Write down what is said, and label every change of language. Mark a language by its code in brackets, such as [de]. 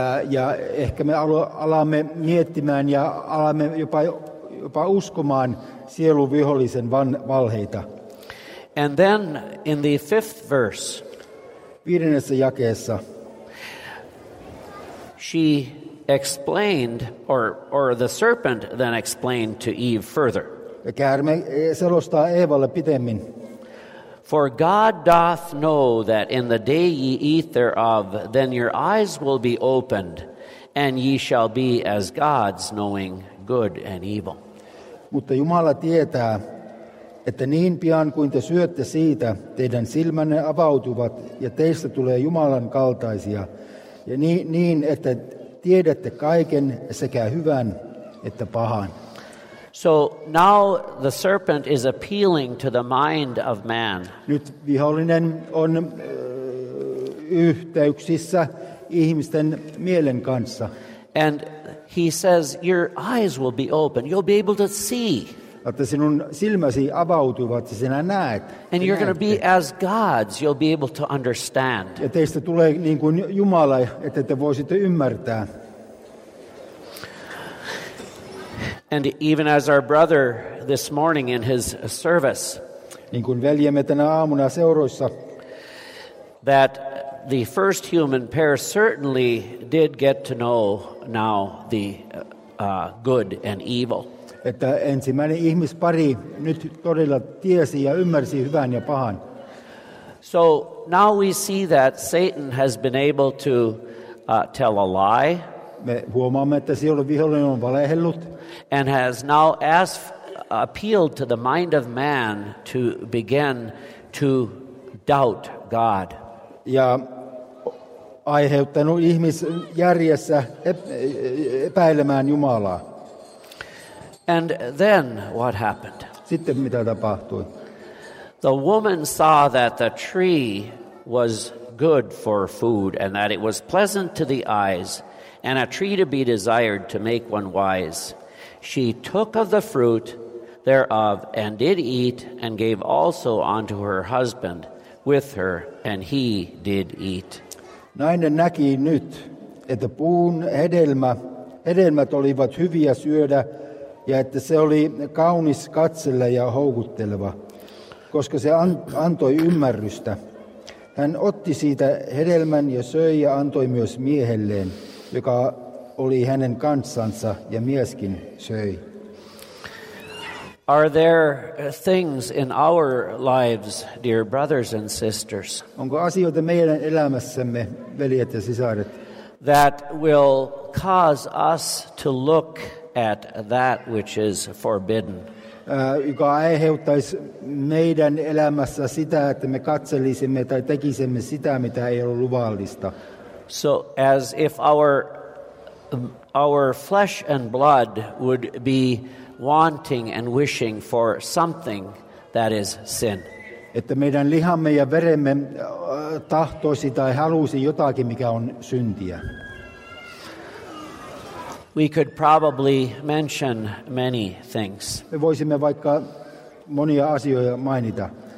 [fi] Ja ehkä me alamme miettimään ja alamme jopa uskomaan sielun vihollisen valheita. [en] And then in the fifth verse. [fi] Viidennessä jakeessa. [en] She explained, or the serpent then explained to Eve further. [fi] Käärme selostaa Eevalle pitemmin. [en] For God doth know that in the day ye eat thereof, then your eyes will be opened, and ye shall be as gods, knowing good and evil. [fi] Mutta Jumala tietää, että niin pian kuin te syötte siitä, teidän silmänne avautuvat, ja teistä tulee Jumalan kaltaisia, ja niin että tiedätte kaiken, sekä hyvän että pahan. [en] So now the serpent is appealing to the mind of man. [fi] Nyt vihollinen on yhteyksissä ihmisten mielen kanssa. [en] And he says, your eyes will be open. You'll be able to see. [fi] Että sinun silmäsi avautuvat ja sinä näet. [en] And you're going to be as gods. You'll be able to understand. [fi] Ja teistä tulee niin kuin Jumala, että te voisitte ymmärtää. [en] And even as our brother this morning in his service, [fi] niin kuin veljemme tänä aamuna seuroissa, [en] that the first human pair certainly did get to know now the good and evil. [fi] Että ensimmäinen ihmispari nyt todella tiesi ja ymmärsi hyvän ja pahan. [en] So now we see that Satan has been able to tell a lie. [fi] Me huomaamme, että silloin vihollinen on valehellut. [en] And has now appealed to the mind of man to begin to doubt God. [fi] Ja aiheuttanut ihmisjärjessä epäilemään Jumalaa. [en] And then what happened? [fi] Sitten mitä tapahtui? [en] The woman saw that the tree was good for food and that it was pleasant to the eyes. And a tree to be desired to make one wise. She took of the fruit thereof and did eat and gave also unto her husband with her and he did eat. [fi] Nainen näki nyt, että puun hedelmät olivat hyviä syödä ja että se oli kaunis katselle ja houkutteleva, koska se antoi ymmärrystä. Hän otti siitä hedelmän ja söi ja antoi myös miehelleen. Joka oli hänen kanssansa ja mieskin söi. [en] Are there things in our lives, dear brothers and sisters? [fi] Onko asioita meidän elämässämme, veljet ja sisaret? [en] That will cause us to look at that which is forbidden. [fi] Joka aiheuttaisi meidän elämässä sitä, että me katselisimme tai tekisimme sitä, mitä ei ole luvallista. [en] So as if our flesh and blood would be wanting and wishing for something that is sin. [fi] Että meidän lihamme ja veremme tahtoisi tai halusi jotakin, mikä on syntiä. [en] We could probably mention many things. [fi] Me voisimme vaikka monia asioita mainita.